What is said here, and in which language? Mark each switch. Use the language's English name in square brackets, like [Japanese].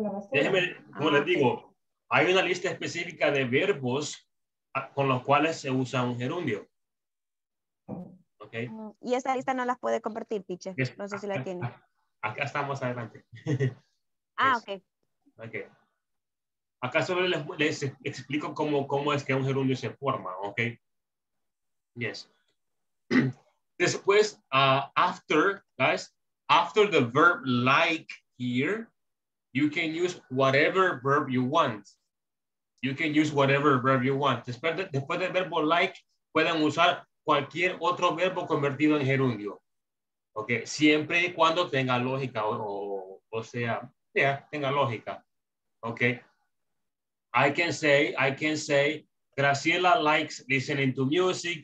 [Spanish] Déjeme, como les digo, hay una lista específica de verbos con los cuales se usa un gerundio. Okay. Y esa lista no las puede compartir, Piche. No sé si la tiene. Acá estamos adelante. [English] Ah, yes. Okay. [Spanish] Acá solo les explico cómo es que un gerundio se forma. [English] Okay. Yes. [Spanish] Después, [English] after, guys, after the verb like here, you can use whatever verb you want. You can use whatever verb you want. [Spanish] Después del verbo like, pueden usar cualquier otro verbo convertido en gerundio. Okay, siempre y cuando tenga lógica o sea, tenga lógica. Okay. [English] I can say Graciela likes listening to music.